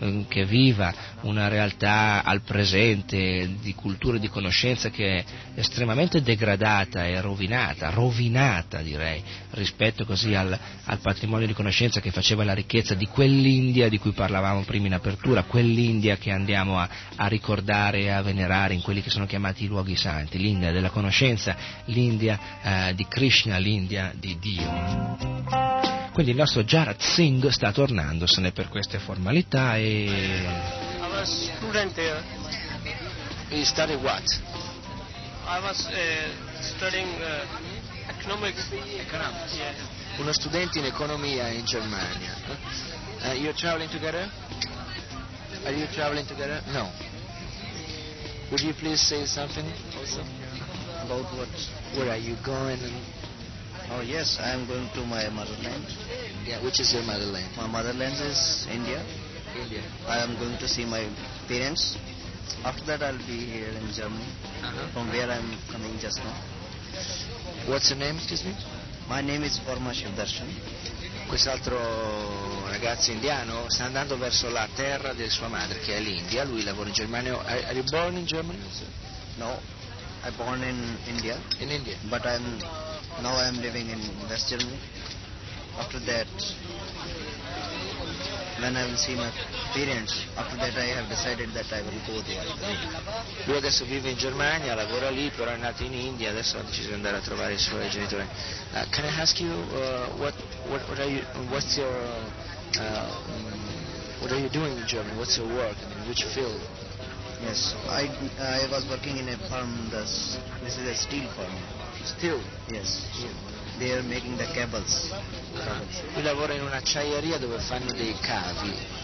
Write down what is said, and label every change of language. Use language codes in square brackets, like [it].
[it] che viva una realtà al presente di cultura e di conoscenza che è estremamente degradata e rovinata direi, rispetto così al patrimonio di conoscenza che faceva la ricchezza di quell'India di cui parlavamo prima in apertura, quell'India che andiamo a ricordare e a venerare in quelli che sono chiamati i luoghi santi, l'India della conoscenza, l'India di Krishna, l'India di Dio. Quindi il nostro Jagtar Singh sta tornandosene per queste formalità e... [en] Our student is studying what? I was studying economics. [it] Yeah. Uno studente in economia in Germania. [en] You traveling together? Are you traveling together? No. Would you please say something also about what? Where are you going? And... Oh yes, I am going to my motherland. Yeah, which is your motherland? My motherland is India. India. I am going to see my parents. After that, I'll be here in Germany. Uh-huh. From where I'm coming just now. What's your name, excuse me? My name is Varma Shivdarshan. [it] Quest'altro ragazzo indiano sta andando verso la terra di sua madre, che è l'India. Lui lavora in Germania. [en] Are you born in Germany? No, I'm born in India. In India. But I'm living in West Germany. After that, when I will see my parents, after that I have decided that I will go there. [it] Lui adesso vive in Germania, lavora lì, però è nato in India, adesso ha deciso di andare a trovare i suoi genitori. [en] Can I ask you what are you doing in Germany? What's your work? In which field? Yes, I was working in a farm. This is a steel farm. Steel? Yes. there making the cables. [it] Qui lavoro in un'acciaieria dove fanno dei cavi.